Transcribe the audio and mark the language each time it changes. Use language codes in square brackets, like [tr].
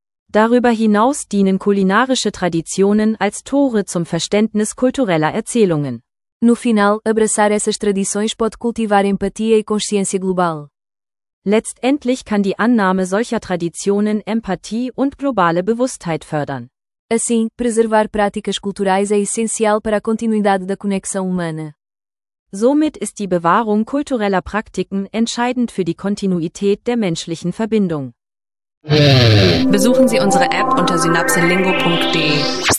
[de] Darüber hinaus dienen kulinarische Traditionen als Tore zum Verständnis kultureller Erzählungen. [pt] No final, abraçar essas tradições pode cultivar empatia e consciência global. [de] Letztendlich kann die Annahme solcher Traditionen Empathie und globale Bewusstheit fördern. [pt] Assim, preservar práticas culturais é essencial para a continuidade da conexão humana. [de] Somit ist die Bewahrung kultureller Praktiken entscheidend für die Kontinuität der menschlichen Verbindung. Besuchen Sie unsere App unter synapselingo.de.